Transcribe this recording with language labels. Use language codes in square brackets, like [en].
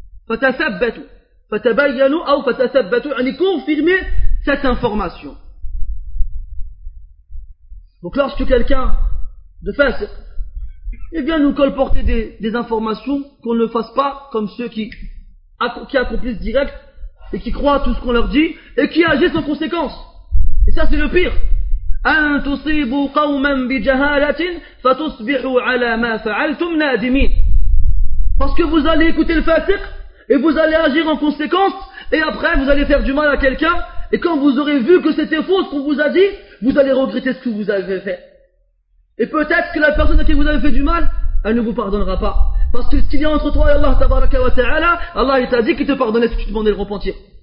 [ar] فتثبتوا فتبينوا أو فتثبتوا يعني [fr] confirmer cette information. Donc lorsque quelqu'un de fasiq, eh bien nous colporter des informations, qu'on ne fasse pas comme ceux qui accomplissent direct et qui croient à tout ce qu'on leur dit et qui agissent en conséquence. Et ça c'est le pire. [ar] أن تصيبوا قوما بجهالة فتصبحوا على ما فعلتم نادمين. [fr] Parce que vous allez écouter le fasiq et vous allez agir en conséquence, et après vous allez faire du mal à quelqu'un, et quand vous aurez vu que c'était faux ce qu'on vous a dit, vous allez regretter ce que vous avez fait. Et peut-être que la personne à qui vous avez fait du mal, elle ne vous pardonnera pas. Parce que ce qu'il y a entre toi et Allah, tabaraka wa ta'ala, Allah il t'a dit qu'il te pardonnait si tu demandais le repentir.